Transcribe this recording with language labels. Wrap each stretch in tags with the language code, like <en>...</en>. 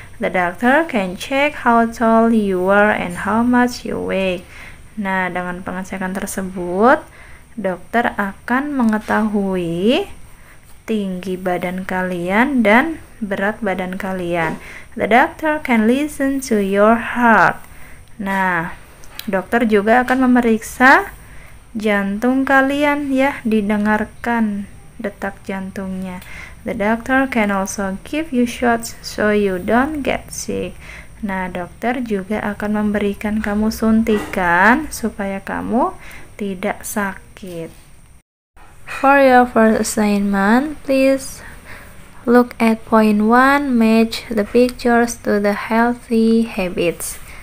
<en>The doctor can check how tall you are and how much you weigh.</en> <id>Nah, dengan pengecekan tersebut, dokter akan mengetahui tinggi badan kalian dan berat badan kalian.</id> <en>The doctor can listen to your heart.</en> <id>Nah, dokter juga akan memeriksa jantung kalian ya, didengarkan detak jantungnya.</id> <en>The doctor can also give you shots so you don't get sick.</en> <id>Nah, dokter juga akan memberikan kamu suntikan supaya kamu tidak sakit.</id> <en>For your first assignment, please look at point 1, match the pictures to the healthy habits.</en>